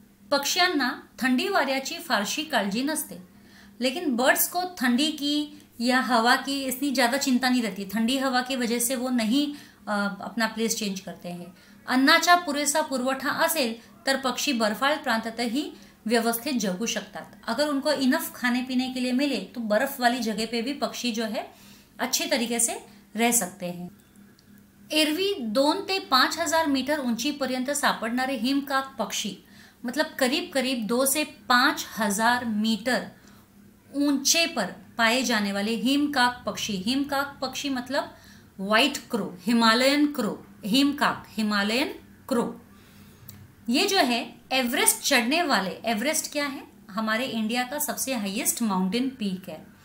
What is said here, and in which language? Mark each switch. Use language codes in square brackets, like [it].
[mr] पक्षियांना थंडी वाऱ्याची फारशी काळजी नसते, [hi] लेकिन बर्ड्स को थंडी की या हवा की इतनी ज़्यादा चिंता नहीं रहती। ठंडी हवा की वजह से वो नहीं अपना प्लेस चेंज करते हैं। [mr] अन्नाचा पुरेसा पुरवठा असेल तर पक्षी बर्फाळ प्रांतातही व्यवस्थित जगू शकतात। [hi] अगर उनको इनफ खाने पीने के लिए मिले तो बर्फ वाली जगह पे भी पक्षी जो है अच्छे तरीके से रह सकते हैं। [mr] एरवी 2 ते 5 हजार मीटर ऊंची पर्यंत सापडणारे हिमकाक पक्षी, [hi] मतलब करीब करीब 2 से 5 हजार मीटर ऊंचे पर पाए जाने वाले हिमकाक पक्षी, हिमकाक पक्षी मतलब white crow, Himalayan crow, हिमकाक, Himalayan crow, ये जो है एवरेस्ट चढ़ने वाले, एवरेस्ट क्या है, हमारे इंडिया का सबसे हाईएस्ट माउंटेन पीक है।